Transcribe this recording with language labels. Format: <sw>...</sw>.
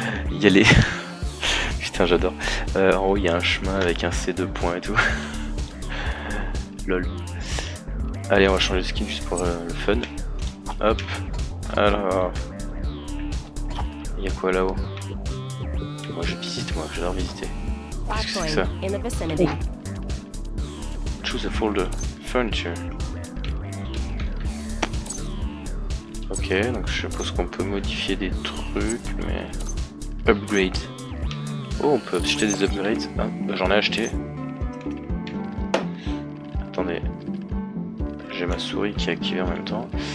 <fr>Il y a les... Putain, j'adore! En haut, il y a un chemin avec un C2 points et tout. Lol. Allez, on va changer de skin juste pour le fun. Hop, alors, il y a quoi là-haut? Moi je visite, moi j'adore visiter. Qu'est-ce que c'est que ça? Oh.</fr> <en>Choose a folder, furniture.</en> <fr>Ok, donc je suppose qu'on peut modifier des trucs, mais... Upgrade. Oh, on peut acheter des upgrades. Ah, j'en ai acheté. Attendez, j'ai ma souris qui est activée en même temps.</fr>